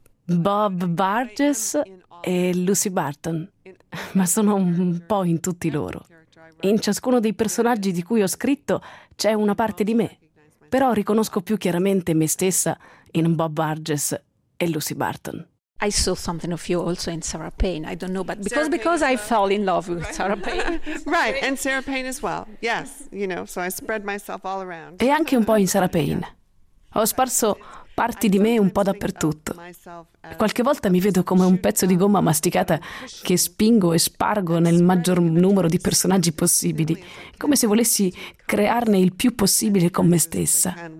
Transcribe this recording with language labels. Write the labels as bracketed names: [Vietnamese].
[Italian] Bob Burgess e Lucy Barton, ma sono un po' in tutti loro. In ciascuno dei personaggi di cui ho scritto c'è una parte di me, però riconosco più chiaramente me stessa in Bob Burgess e Lucy Barton. [English] I saw something of you also in Sarah Payne. I don't know, but because I fell in love with Sarah Payne. Right, and Sarah Payne as well. Yes, you know, so I spread myself all around. [Italian] E anche un po' in Sarah Payne. Ho sparso parti di me un po' dappertutto. Qualche volta mi vedo come un pezzo di gomma masticata che spingo e spargo nel maggior numero di personaggi possibili, come se volessi crearne il più possibile con me stessa.